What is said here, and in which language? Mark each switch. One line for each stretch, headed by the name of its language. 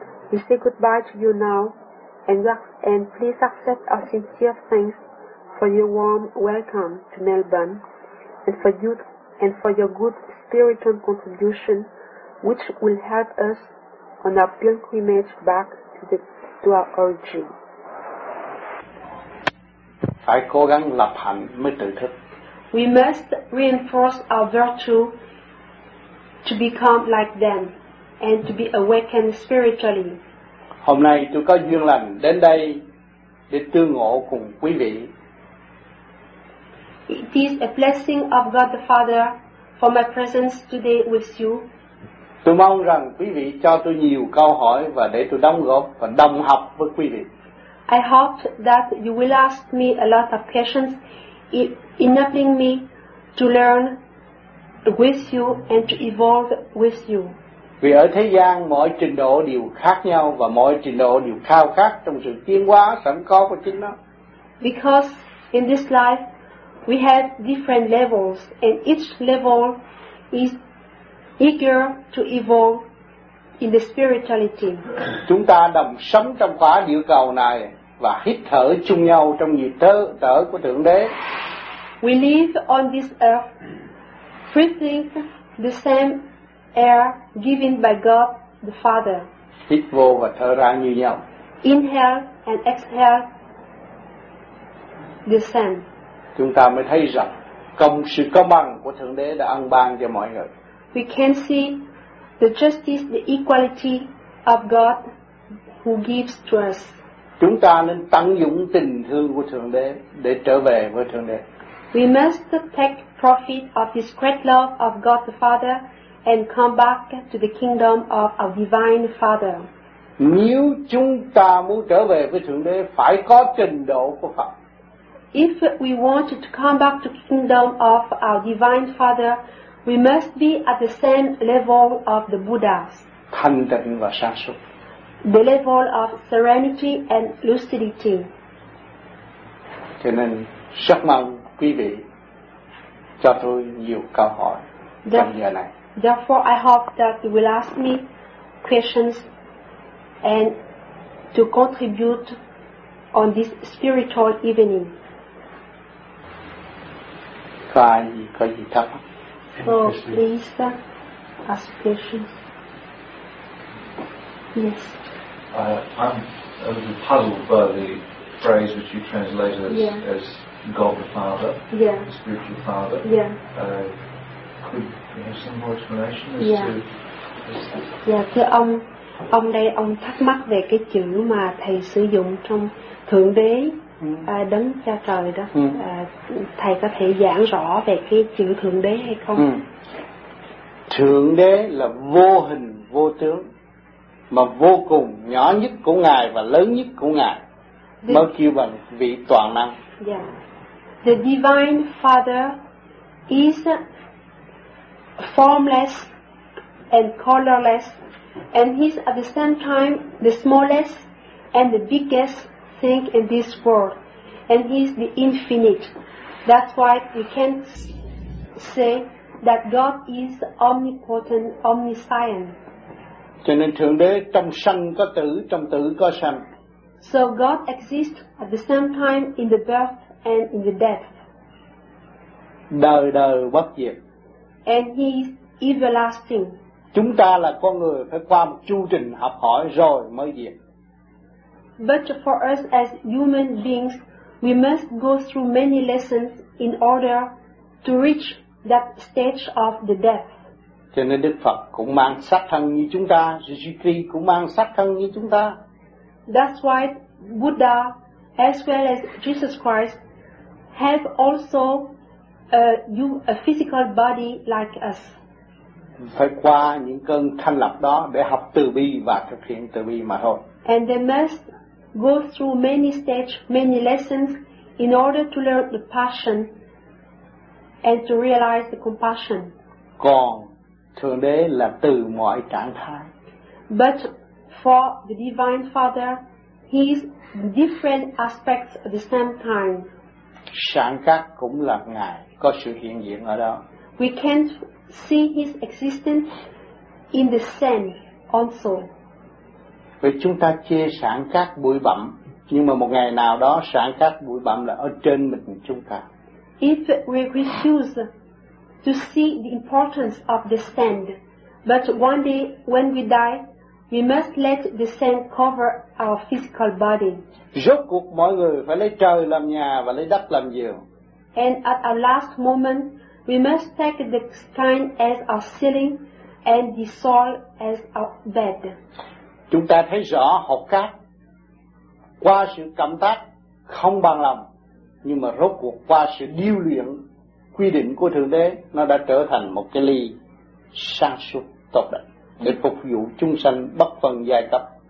English: We say goodbye to you now, and please accept our sincere thanks for your warm welcome to Melbourne, and for your good spiritual contribution, which will help us on our pilgrimage back to our origin.
Vietnamese: Phải cố gắng lập hạnh mới tự thức.
English: We must reinforce our virtue to become like them and to be awakened spiritually.
Vietnamese: Hôm nay tôi có duyên lành đến đây để tương ngộ cùng quý vị.
English: It is a blessing of God the Father for my presence today with you.
Vietnamese: Tôi mong rằng quý vị cho tôi nhiều câu hỏi và để tôi đóng góp và đồng học với quý vị.
English: I hope that you will ask me a lot of questions, enabling me to learn with you and to evolve with you.
Vietnamese: Vì ở thế gian mọi trình độ đều khác nhau và mọi trình độ đều khao khát trong sự tiến hóa sẵn có của chính nó.
English: Because in this life we have different levels and each level is eager to evolve in the spirituality.
Vietnamese: Chúng ta đồng sống trong quả địa cầu này và hít thở chung nhau trong nhịp thở của Thượng Đế.
English: We live on this earth breathing the same air given by God the Father.
Vietnamese: Hít vô và thở ra như nhau.
English: Inhale and exhale the same.
Vietnamese: Chúng ta mới thấy rằng công sự công bằng của Thượng Đế đã ân ban cho mọi người.
English: We can see the justice, the equality of God who gives to us.
Vietnamese: Chúng ta nên tận dụng tình thương của Thượng Đế để trở về với Thượng Đế.
English: We must take profit of this great love of God the Father and come back to the kingdom of our divine Father.
Vietnamese: Nếu chúng ta muốn trở về với Thượng Đế phải có trình độ của Phật.
English: If we want to come back to the kingdom of our divine Father, we must be at the same level of the Buddhas.
Vietnamese: Thanh tịnh và sáng suốt.
English: The level of serenity and lucidity.
Vietnamese: Cho nên rất mong quý vị cho tôi nhiều câu hỏi trong giờ này.
English: Therefore, I hope that you will ask me questions and to contribute on this spiritual evening.
Vietnamese: Có gì thắc mắc?
English: So please ask questions. Yes. I'm a little puzzled by the phrase which you translated as God the Father, the spiritual Father. Could we have some more explanation
Vietnamese: Thưa ông đây ông thắc mắc về cái chữ mà thầy sử dụng trong Thượng Đế. Đấng Cha Trời đó, thầy có thể giảng rõ về cái chữ Thượng Đế hay không? Thượng Đế là vô hình vô tướng, mà vô cùng nhỏ nhất của Ngài và lớn nhất của Ngài, mới kêu bằng vị toàn năng.
English: The Divine Father is formless and colorless, and he's at the same time the smallest and the biggest thing in this world, and he is the infinite. That's why we can say that God is omnipotent, omniscient.
Vietnamese: Cho nên Thượng Đế trong sanh có tử, trong tử có sanh.
English: So God exists at the same time in the birth and in the death.
Vietnamese: Đời đời bất diệt.
English: And he is everlasting.
Vietnamese: Chúng ta là con người phải qua một chu trình học hỏi rồi mới diệt.
English: But for us as human beings, we must go through many lessons in order to reach that stage of the death.
Vietnamese: Cho nên Đức Phật cũng mang xác thân như chúng ta, Jesus Christ cũng mang xác thân như chúng ta.
English: That's why Buddha, as well as Jesus Christ, have also a physical body like us.
Vietnamese: Phải qua những cơn thanh lọc đó để học từ bi và thực hiện từ bi mà thôi.
English: And they must go through many stages, many lessons in order to learn the passion and to realize the compassion.
Vietnamese: Còn Thượng Đế là từ mọi trạng thái.
English: But for the Divine Father, he is different aspects at the same time.
Vietnamese: Sáng các cũng là Ngài, có sự hiện diện ở đó.
English: We can't see his existence in the sand also.
Vietnamese: Vì chúng ta chia sản các bụi bặm, nhưng mà một ngày nào đó sản các bụi bặm là ở trên mình chúng ta.
English: If we refuse to see the importance of the sand, but one day when we die, we must let the sand cover our physical body.
Vietnamese: Rốt cuộc mọi người phải lấy trời làm nhà và lấy đất làm giường.
English: And at our last moment, we must take the sky as our ceiling and the soil as our bed.
Vietnamese: Chúng ta thấy rõ hộp cát qua sự cảm tác không bằng lòng, nhưng mà rốt cuộc qua sự điêu luyện quy định của Thượng Đế, nó đã trở thành một cái ly sáng suốt tốt đẹp để phục vụ chúng sanh bất phân giai cấp.